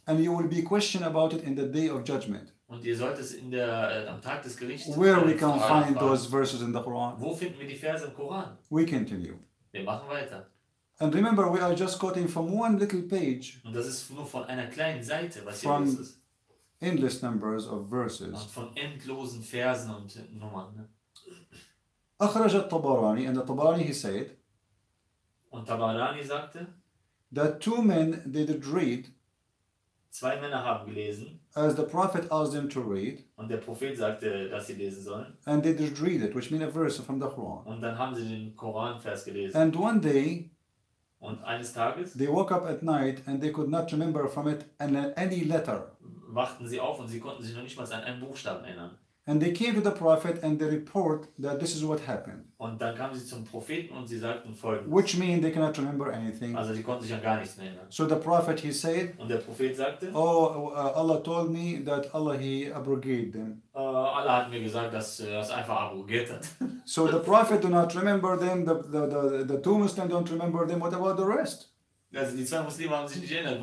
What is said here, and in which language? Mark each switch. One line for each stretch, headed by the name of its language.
English: And you will be questioned about it in the day of judgment.
German: Und ihr solltet es in der am Tag des Gerichts.
English: Where we can find those verses in the Quran?
German: Wo finden wir die Verse im Koran?
English: We continue.
German: Wir machen weiter.
English: And remember, we are just quoting from one little page.
German: Und das ist nur von einer kleinen Seite, was hier ist.
English: From endless numbers of verses.
German: Und von endlosen Versen und Nummern.
Arabic: أخرج الطبراني,
English: and the Tabarani, he said.
German: Und Tabarani sagte.
English: That two men did read.
German: Zwei Männer haben gelesen.
English: As the prophet asked them to read.
German: Und der Prophet sagte, dass sie lesen sollen.
English: And they did read it, which means a verse from the Quran.
German: Und dann haben sie den Koranvers gelesen.
English: And one day.
German: Und eines Tages,
English: they woke up at night and they could not remember from it any letter.
German: Wachten sie auf und sie konnten sich noch nicht mal an einen Buchstaben erinnern.
English: And they came to the prophet and they report that this is what happened.
German: Und dann kamen sie zum Propheten und sie sagten folgendes.
English: Which means they cannot remember anything.
German: Also sie konnten sich an gar nichts mehr erinnern.
English: So the prophet, he said.
German: Und der Prophet sagte.
English: Oh, Allah told me that Allah, he abrogated them.
German: Allah hat mir gesagt, dass er es einfach abrogiert hat.
English: So the prophet do not remember them. The two Muslims don't remember them. What about the rest?
German: Also die zwei Muslime haben sich nicht erinnert.